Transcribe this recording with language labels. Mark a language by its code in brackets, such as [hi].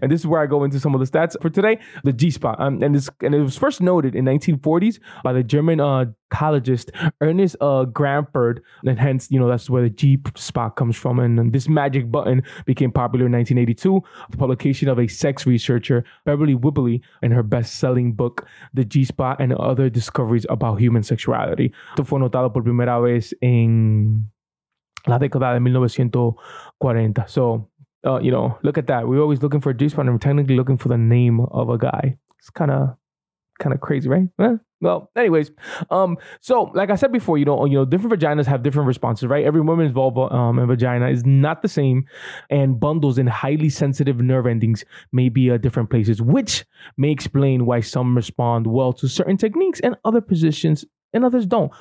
[en] And this is where I go into some of the stats for today. The G-spot, it was first noted in 1940s by the German psychologist Ernest Grandford, and hence, you know, that's where the G-spot comes from. And this magic button became popular in 1982, the publication of a sex researcher, Beverly Whibley, in her best-selling book, The G-Spot and Other Discoveries About Human Sexuality. [es] Esto fue notado por primera vez en la década de 1940. [en] So, you know, look at that. We're always looking for a G-spot, and we're technically looking for the name of a guy. It's kind of crazy, right? Eh? Well, anyways, so like I said before, you know, different vaginas have different responses, right? Every woman's vulva and vagina is not the same, and bundles in highly sensitive nerve endings may be at different places, which may explain why some respond well to certain techniques and other positions and others don't.